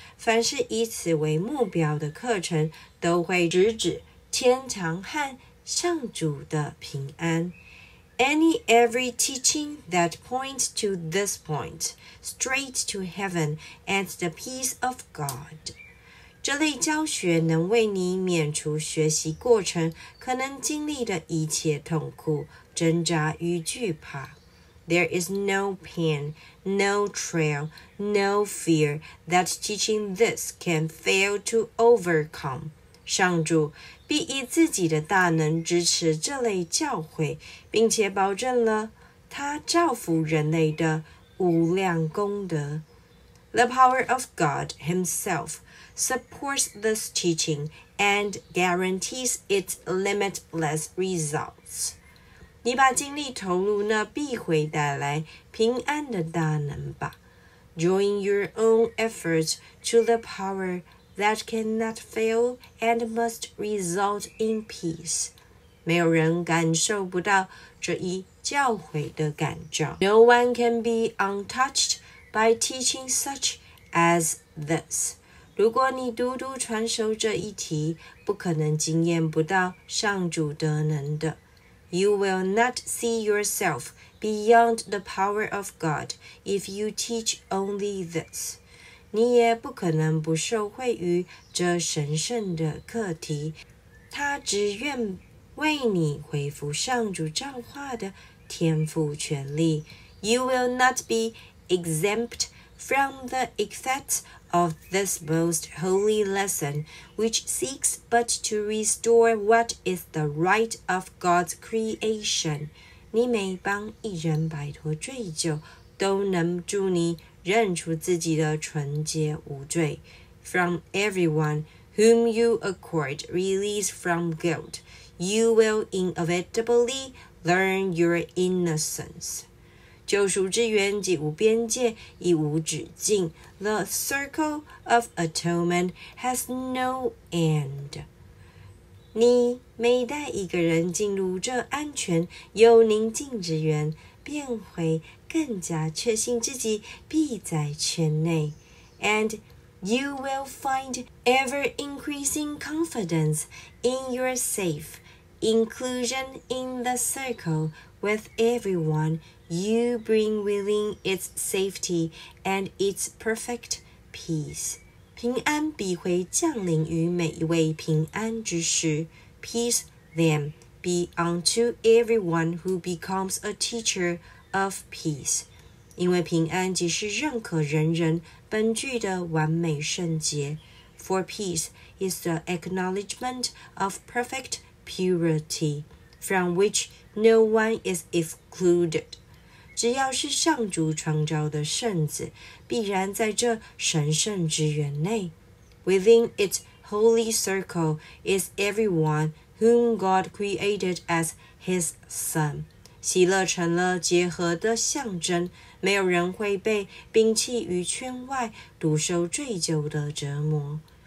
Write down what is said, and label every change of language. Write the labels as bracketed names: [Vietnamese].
[Chinese] 凡是以此为目标的课程都会直指天堂和上主的平安。 [English] Any every teaching that points to this point, straight to heaven and the peace of God. [Chinese] 这类教学能为你免除学习过程可能经历的一切痛苦、挣扎与惧怕。 [English] There is no pain, no trial, no fear that teaching this can fail to overcome. [Chinese] 上主必以自己的大能支持这类教诲，并且保证了他造福人类的无量功德。 [English] The power of God Himself supports this teaching and guarantees its limitless results. [Chinese] 你把精力投入那必会带来平安的大能吧。 [English] Join your own efforts to the power. That cannot fail and must result in peace. [Chinese] 没有人感受不到这一教诲的感召。 [English] No one can be untouched by teaching such as this. [Chinese] 如果你独独传授这一题，不可能经验不到上主德能的。 [English] You will not see yourself beyond the power of God if you teach only this. [Chinese] 你也不可能不受惠于这神圣的课题。他只愿为你恢复上主造化的天赋权利。 [English] You will not be exempt from the effects of this most holy lesson, which seeks but to restore what is the right of God's creation. [Chinese] 你每帮一人摆脱罪疚，都能助你认出自己的纯洁无罪。 [English] From everyone whom you accord release from guilt, you will inevitably learn your innocence. [Chinese] 救赎之源即无边界，亦无止境。 [English] The circle of atonement has no end. [Chinese] 你每带一个人进入这安全又宁静之源，便会更加确信自己必在圈内。 [English] And you will find ever increasing confidence in your safe inclusion in the circle with everyone. You bring within its safety and its perfect peace. [Chinese] 平安必会降临于每一位平安之士。 [English] Peace then be unto everyone who becomes a teacher of peace. [Chinese] 因为平安即是任何人人本具的完美圣洁。 [English] For peace is the acknowledgement of perfect purity, from which no one is excluded. [Chinese] 只要是上主创造的圣子，必然在这神圣之源内。 [English] Within its holy circle is everyone whom God created as his son. [Chinese] 喜乐成了结合的象征，没有人会被摒弃于圈外，独受罪疚的折磨。